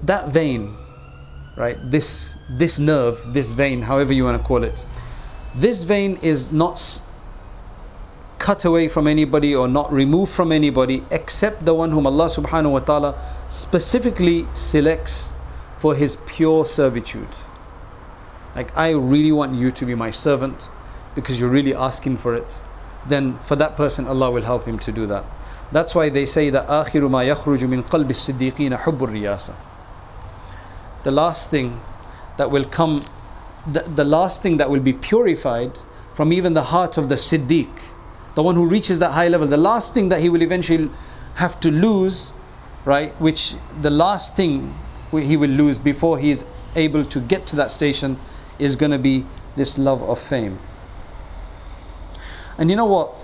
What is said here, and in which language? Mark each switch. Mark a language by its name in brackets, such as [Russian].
[English] That vein, right, this nerve, this vein, however you want to call it, this vein is not cut away from anybody or not removed from anybody except the one whom Allah subhanahu wa ta'ala specifically selects for His pure servitude. Like, I really want you to be my servant because you're really asking for it. Then for that person, Allah will help him to do that. That's why they say that [Arabic] آخر ما يخرج من قلب الصديقين حب الرياسة. [English] The last thing that will come, the last thing that will be purified from even the heart of the Siddiq, the one who reaches that high level, the last thing that he will eventually have to lose, right, which the last thing he will lose before he is able to get to that station, is going to be this love of fame. And you know what?